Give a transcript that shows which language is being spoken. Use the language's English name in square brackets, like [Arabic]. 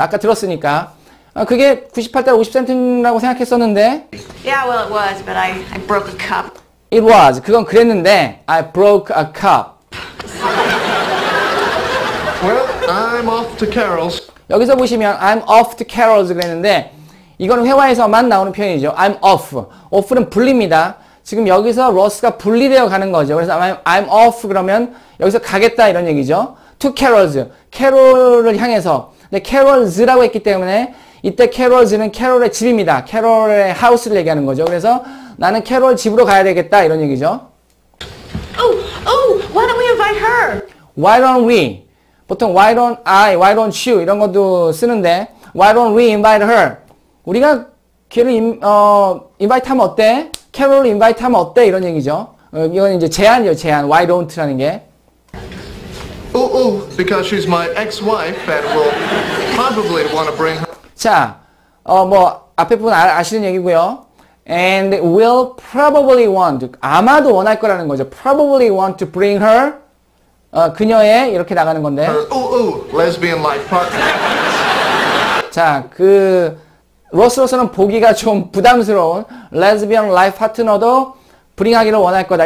[Korean] 아까 들었으니까 그게 98달러 50센트라고 생각했었는데 [English] Yeah, well it was, but I broke a cup. It was. [Korean] 그건 그랬는데 [English] I broke a cup. Well, I'm off to Carol's. [Korean] 여기서 보시면 [English] I'm off to Carol's [Korean] 그랬는데 이건 회화에서만 나오는 표현이죠. [English] I'm off. [Korean] Off는 불립니다. 지금 여기서 로스가 분리되어 가는 거죠. 그래서 [English] I'm off [Korean] 그러면 여기서 가겠다 이런 얘기죠. [English] To Carol's. [Korean] 캐롤을 향해서. 근데 Carol's라고 했기 때문에 이때 Carol's는 캐롤의 집입니다. 캐롤의 하우스를 얘기하는 거죠. 그래서 나는 캐롤 집으로 가야 되겠다 이런 얘기죠. [English] Oh, oh, why don't we invite her? Why don't we? [Korean] 보통 [English] why don't I, why don't you [Korean] 이런 것도 쓰는데 [English] why don't we invite her? [Korean] 우리가 걔를 invite 하면 어때? 캐롤을 invite 하면 어때? 이런 얘기죠. 이건 이제 제안이요, 제안. [English] Why don't라는 게. Oh, oh, because she's my ex-wife and will probably want to bring her. [Korean] 자, 뭐 앞에 부분 아시는 얘기고요. [English] And will probably want, [Korean] 아마도 원할 거라는 거죠. [English] Probably want to bring her. [Korean] 그녀의 이렇게 나가는 건데. [English] Oh, oh, lesbian life partner. [Korean] 자, 그 로스로서는 보기가 좀 부담스러운 [English] lesbian life partner [Korean] 도 bring하기를 원할 거다.